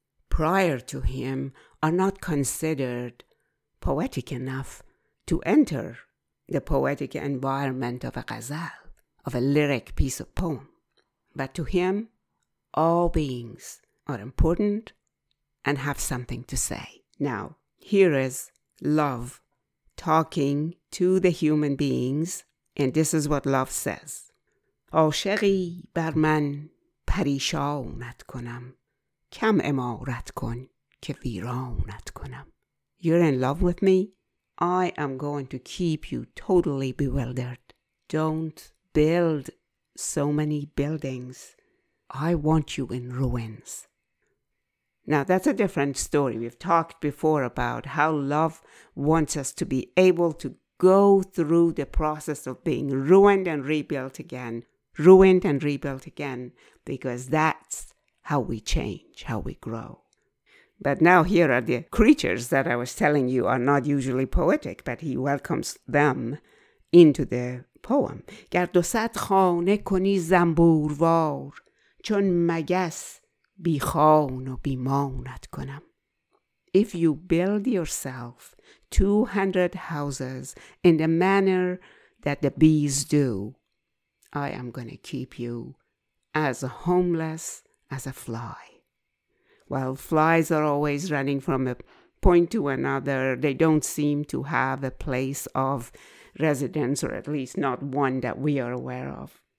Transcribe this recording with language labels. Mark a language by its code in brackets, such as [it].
[en] prior to him are not considered poetic enough to enter the poetic environment of a ghazal, of a lyric piece of poem. But to him, all beings are important and have something to say. Now, here is love talking to the human beings, and this is what love says. [fa] عاشقی بر من پریشانت کنم کم امارت کن که ویرانت کنم. [en] You're in love with me? I am going to keep you totally bewildered. Don't build so many buildings. I want you in ruins. Now, that's a different story. We've talked before about how love wants us to be able to go through the process of being ruined and rebuilt again, ruined and rebuilt again, because that's how we change, how we grow. But now here are the creatures that I was telling you are not usually poetic, but he welcomes them into the poem. [fa] گرد و صد خانه کنی زنبوروار چون مگس بی خان و بی مانت کنم. [en] If you build yourself 200 houses in the manner that the bees do, I am going to keep you as homeless as a fly. While flies are always running from a point to another, they don't seem to have a place of residence, or at least not one that we are aware of.